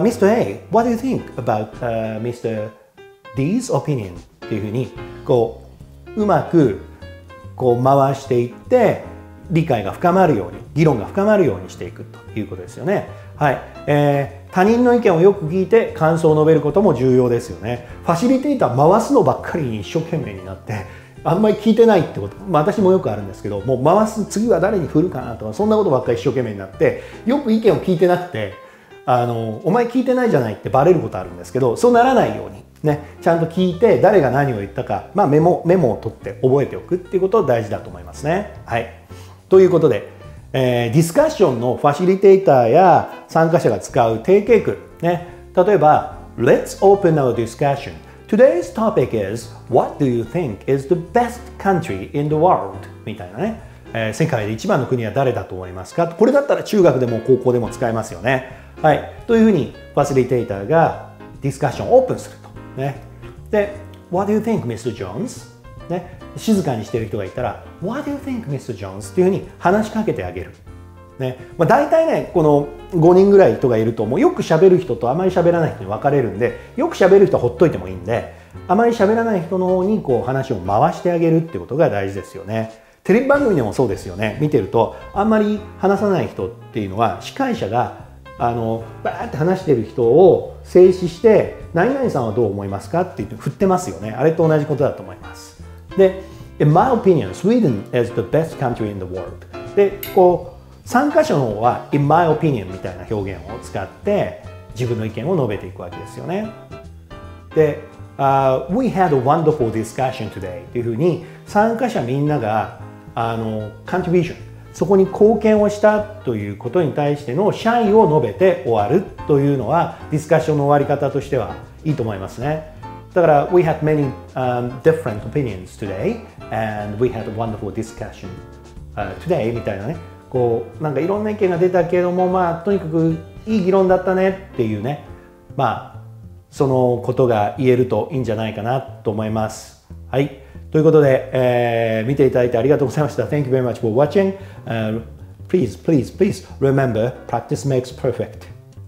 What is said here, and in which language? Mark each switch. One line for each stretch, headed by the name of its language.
English: Mr. A, what do you think about Mr. D's opinion?
Japanese: っていうふうに、うまく回していって、理解が深まるように、議論が深まるようにしていくということですよね。はい。他人の意見をよく聞いて感想を述べることも重要ですよね。ファシリテーター回すのばっかりに一生懸命になって、あんまり聞いてないってこと、私もよくあるんですけど、もう回す、次は誰に振るかなとか、そんなことばっかり一生懸命になって、よく意見を聞いてなくて、お前聞いてないじゃないってバレることあるんですけど、そうならないようにね、ちゃんと聞いて誰が何を言ったか、メモを取って覚えておくっていうことが大事だと思いますね。はい。ということで、ディスカッションのファシリテーターや参加者が使う定型句ね、例えば
English: Let's open our discussion. Today's topic is What do you think is the best country in the world?
Japanese: みたいなね、世界で一番の国は誰だと思いますか。これだったら中学でも高校でも使えますよね。はい、というふうにファシリテーターがディスカッションをオープンすると、ね、で
English: What do you think Mr.
Japanese: Jones?、ね、静かにしている人がいたら
English: What do you think Mr. Jones?
Japanese: というふうに話しかけてあげる、ね、大体ね、この5人ぐらい人がいると、もうよく喋る人とあまり喋らない人に分かれるんで、よく喋る人はほっといてもいいんで、あまり喋らない人の方にこう話を回してあげるっていうことが大事ですよね。テレビ番組でもそうですよね。見てるとあんまり話さない人っていうのは、司会者がバーって話してる人を静止して、何々さんはどう思いますかって言って振ってますよね。あれと同じことだと思います。で、
English: In my opinion, Sweden is the best country in the world.
Japanese: で、こう参加者の方は
English: In my opinion
Japanese: みたいな表現を使って自分の意見を述べていくわけですよね。で、
English: We had a wonderful discussion today
Japanese: というふうに、参加者みんながContribution、そこに貢献をしたということに対しての謝意を述べて終わるというのは、ディスカッションの終わり方としてはいいと思いますね。だから
English: we had many、different opinions today and we had a wonderful discussion、today
Japanese: みたいなね、こうなんかいろんな意見が出たけども、まあとにかくいい議論だったねっていうね、まあそのことが言えるといいんじゃないかなと思います。はい、ということで、見ていただいてありがとうございました。
English: Thank you very much for watching、please please please remember practice makes perfect